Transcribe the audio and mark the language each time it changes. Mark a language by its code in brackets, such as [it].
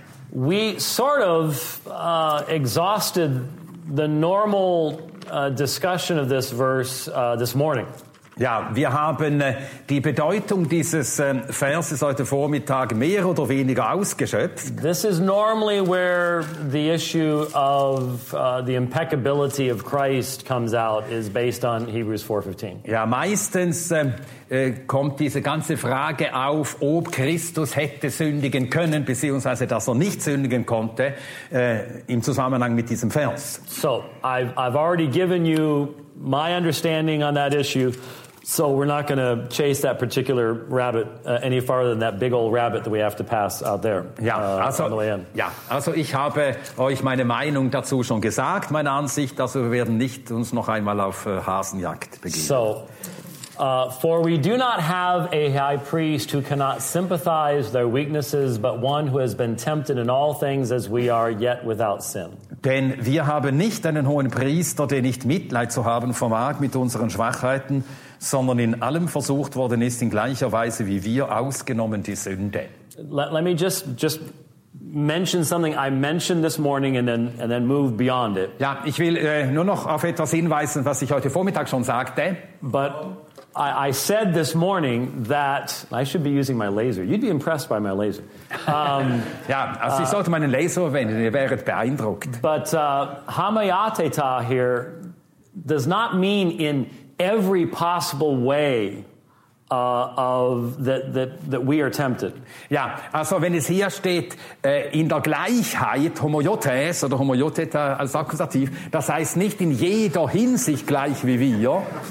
[en] We sort of exhausted the normal discussion of this verse this morning. [de] Ja, wir haben die Bedeutung dieses Verses heute Vormittag mehr oder weniger ausgeschöpft. [en] This is normally where the issue of the impeccability of Christ comes out, is based on Hebrews 4:15. [de] Ja, meistens kommt diese ganze Frage auf, ob Christus hätte sündigen können, beziehungsweise dass er nicht sündigen konnte, im Zusammenhang mit diesem Vers. [en] So, I've already given you my understanding on that issue. So we're not going to chase that particular rabbit any farther than that big old rabbit that we have to pass out there. [de] Ja, also, [en] on the way in. [de] Ja, also ich habe euch meine Meinung dazu schon gesagt, meine Ansicht, dass wir werden nicht uns noch einmal auf Hasenjagd begeben. [en] So, for we do not have a high priest who cannot sympathize their weaknesses, but one who has been tempted in all things as we are, yet without sin. [de] Denn wir haben nicht einen hohen Priester, der nicht Mitleid zu haben vermag mit unseren Schwachheiten, sondern in allem versucht worden ist, in gleicher Weise wie wir, ausgenommen die Sünde. [en] Let me just mention something I mentioned this morning and then move beyond it. [de] Ja, ich will nur noch auf etwas hinweisen, was ich heute Vormittag schon sagte. [en] But I said this morning that I should be using my laser. You'd be impressed by my laser. [de] ja, also ich sollte meinen Laser verwenden, ihr wäret beeindruckt. [en] But hamayateta here does not mean in every possible way of that we are tempted. [de] Ja, also wenn es hier steht in der Gleichheit homoiotes oder homoioteta als Akkusativ, das heißt nicht in jeder Hinsicht gleich wie wir.